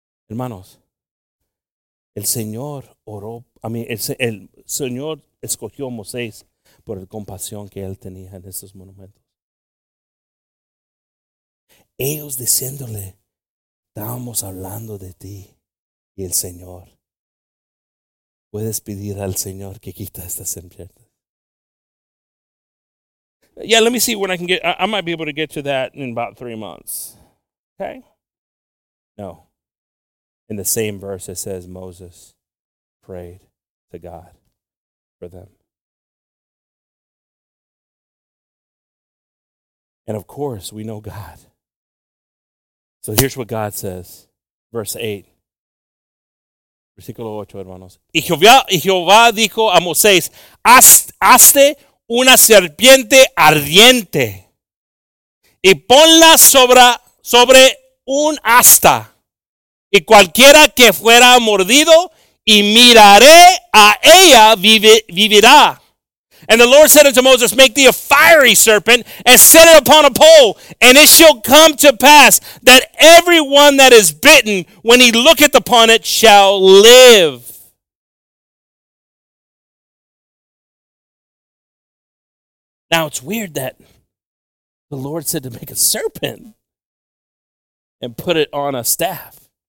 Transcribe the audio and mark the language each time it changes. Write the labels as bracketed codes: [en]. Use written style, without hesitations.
[es] Hermanos, el Señor escogió a Moisés por la compasión que él tenía en esos monumentos. Ellos diciéndole, estábamos hablando de ti, y el Señor, puedes pedir al Señor que quita estas serpientes. [en] Yeah, let me see when I can get, I might be able to get to that in about 3 months. Okay? No. In the same verse, it says Moses prayed to God for them. And of course, we know God. So here's what God says, verse 8. [es] Versículo 8, hermanos. Y Jehová dijo a Moisés, hazte una serpiente ardiente y ponla sobre un asta. Y cualquiera que fuera mordido y miraré a ella vivirá. [en] And the Lord said unto Moses, make thee a fiery serpent and set it upon a pole. And it shall come to pass that everyone that is bitten, when he looketh upon it, shall live. Now it's weird that the Lord said to make a serpent and put it on a staff.